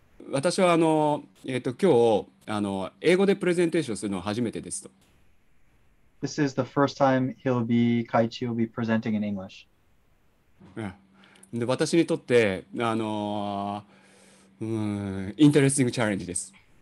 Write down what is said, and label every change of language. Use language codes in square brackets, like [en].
[ja] 私は今日英語でプレゼンテーションするのは初めてですと。 [en] This is the first time he'll be, Kaichi will be presenting in English. [ja] で、私にとって、インタレスティングチャレンジです。